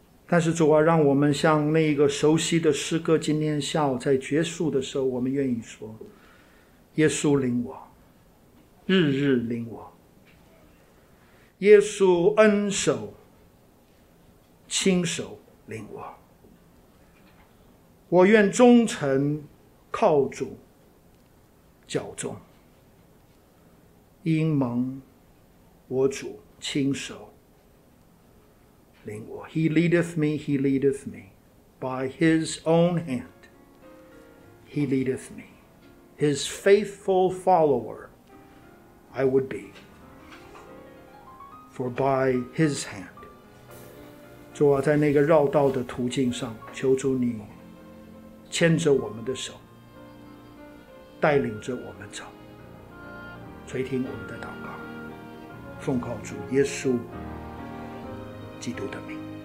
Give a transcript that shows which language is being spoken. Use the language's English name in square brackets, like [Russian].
[Chinese] 但是主啊，让我们像那个熟悉的诗歌，今天下午在结束的时候，我们愿意说，耶稣领我，日日领我，耶稣恩手亲手领我，我愿忠诚靠主脚中，因蒙我主亲手领我。 [English] He leadeth me, he leadeth me, by his own hand he leadeth me, his faithful follower I would be, for by his hand。 [Chinese] 主啊，在那个绕道的途径上，求主你牵着我们的手，带领着我们走，垂听我们的祷告，奉靠主耶稣基督的名。